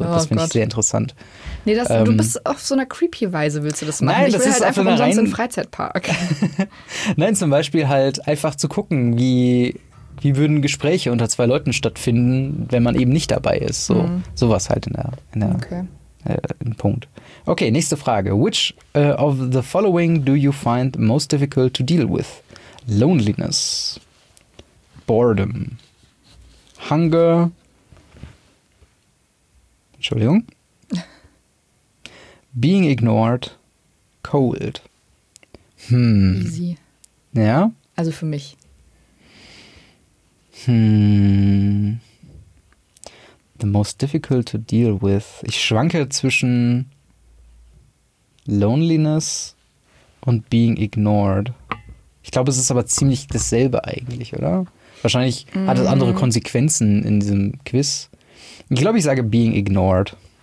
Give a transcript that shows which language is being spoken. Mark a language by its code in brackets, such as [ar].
[de] das finde ich sehr interessant. Nee, du bist auf so einer creepy Weise, willst du das machen? Nein, ich das will ist halt einfach umsonst in den Freizeitpark. Nein, zum Beispiel halt einfach zu gucken, wie, wie würden Gespräche unter zwei Leuten stattfinden, wenn man eben nicht dabei ist? So, sowas halt in Punkt. Okay, nächste Frage. [en] Which of the following do you find most difficult to deal with? Loneliness, Boredom, Hunger, Entschuldigung, being ignored, cold. Easy. [de] Ja? Also für mich. [en] The most difficult to deal with. [de] Ich schwanke zwischen Loneliness und [en] being ignored. [de] Ich glaube, es ist aber ziemlich dasselbe eigentlich, oder? Wahrscheinlich hat es andere Konsequenzen in diesem Quiz. Ich glaube, ich sage [en] being ignored.